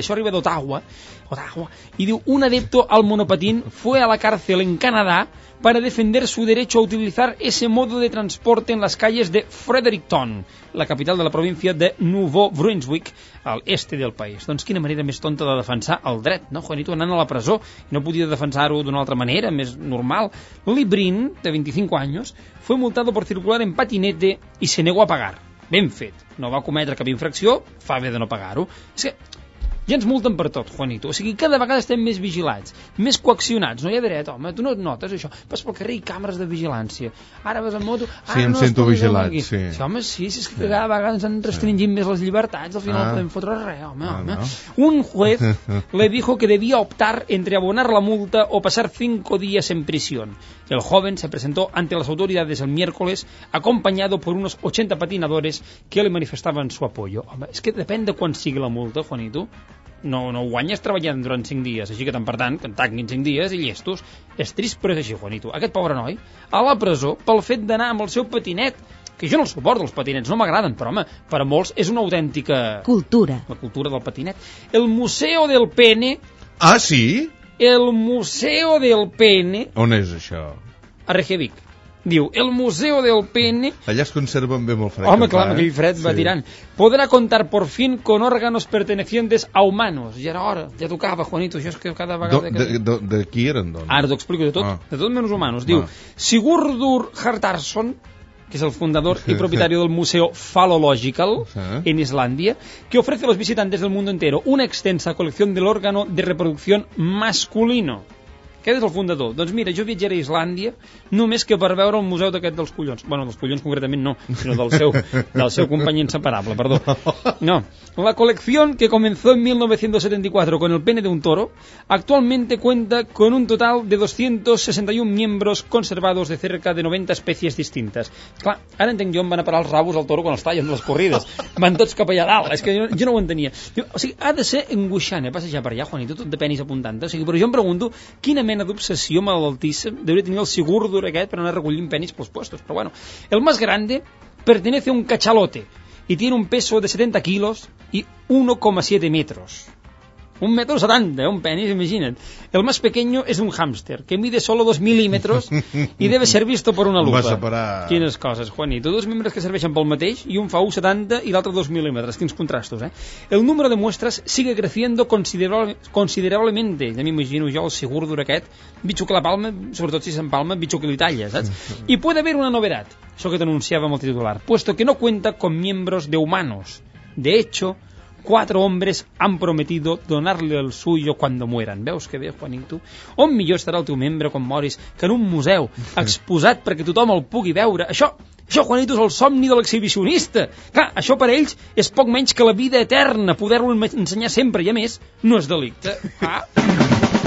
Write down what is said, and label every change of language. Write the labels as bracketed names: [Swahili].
[Catalan] Això arriba d'Ottawa, i diu, [Spanish] un adepto al monopatín fue a la cárcel en Canadá para defender su derecho a utilizar ese modo de transporte en las calles de Fredericton, la capital de la província de Nouveau Brunswick, al este del país. [Catalan] Doncs quina manera més tonta de defensar el dret, no, Juanito, anant a la presó, i no podia defensar-ho d'una altra manera, més normal. [Spanish] Librin, de 25 anys, fue multado por circular en patinete y se negó a pagar. [Catalan] Ben fet. No va cometre cap infracció, fa bé de no pagar-ho. És que ja ens multen per tot, Juanito. O sigui, cada vegada estem més vigilats, més coaccionats. No hi ha dret, home. Tu no notes això. Vas pel carrer i càmeres de vigilància. Ara vas amb moto... Sí, em sento vigilat, sí. Sí, home, sí. És que cada vegada ens han restringit més les llibertats. Al final no podem fotre res, home. [Spanish] Un juez le dijo que debía optar entre abonar la multa o pasar 5 días en prisión. El joven se presentó ante las autoridades el miércoles acompañado por unos 80 patinadores que le manifestaban su apoyo. [Catalan] Home, és que depèn de quan sigui la multa, Juanito. No guanyes treballant durant 5 dies, així que tant per tant, que en tanguin 5 dies i llestos. És trist, però és així, Juanito. Aquest pobre noi, a la presó, pel fet d'anar amb el seu patinet, que jo no el suporto, els patinets, no m'agraden, però home, per a molts és una autèntica... cultura. La cultura del patinet. El Museo del Pene... Ah, sí? El Museo del Pene... On és això? A Reykjavik. Diu, el Museo del Pene... Allà es conserven bé molt fred. Home, clar, amb aquell fred va tirant. [Spanish] Podrà contar por fin con órganos pertenecientes a humanos. [Catalan] Ja era hora, ja tocava, Juanito, això és que cada vegada... De qui eren, doncs? Ara t'ho explico, de tot menys humanos. Diu, Sigurdur Hjartarson, que és el fundador i propietari del Museo Phallological en Islàndia, [Spanish] que ofrece a los visitantes del mundo entero una extensa colección del órgano de reproducción masculino. [Catalan] aquest és el fundador. Doncs mira, jo viatjaré a Islàndia només que per veure el museu d'aquest dels collons. Bueno, dels collons concretament no, sinó del seu company inseparable, perdó. No. [Spanish] La col·lecció, que comenzó en 1974 con el pene de un toro, actualmente cuenta con un total de 261 miembros conservados de cerca de 90 especies distintas. [Catalan] Clar, ara entenc jo on van a parar els rabos al toro quan els tallen les corrides. Van tots cap allà dalt. És que jo no ho entenia. O sigui, ha de ser angoixant, passejar per allà, Juanito, tot de penis apuntant. O sigui, però jo em pregunto quina mena d'obsessió malaltíssima deuria tenir el sigurdur aquest per anar recollint penis pels puestos. [Spanish] Però bueno, el más grande pertenece a un cachalote y tiene un peso de 70 kilos y 1,7 metros. Un metro 70, [Catalan] un penis, imagina't. [Spanish] El más pequeño es un hámster, que mide solo 2 milímetros y debe ser visto por una lupa. [Catalan] Quines coses, Juanito. Dos membres que serveixen pel mateix, i un fa 1,70 i l'altre 2 milímetres. Quins contrastos, eh? [Spanish] El número de muestras sigue creciendo considerablemente. [Catalan] Ja m'imagino jo el sigurdur aquest, bitxo que la palma, sobretot si s'empalma, bitxo que li talla, saps? [Spanish] I puede haver una novedad, [Catalan] això que t'anunciava amb el titular, [Spanish] puesto que no cuenta con miembros de humanos. De hecho, cuatro hombres han prometido donarle el suyo cuando mueran. [Catalan] Veus que bé, Juanito? On millor estarà el teu membre quan moris que en un museu exposat perquè tothom el pugui veure? Això, Juanito, és el somni de l'exhibicionista. Clar, això per a ells és poc menys que la vida eterna, poder-lo ensenyar sempre, i a més, no és delicte. Ah.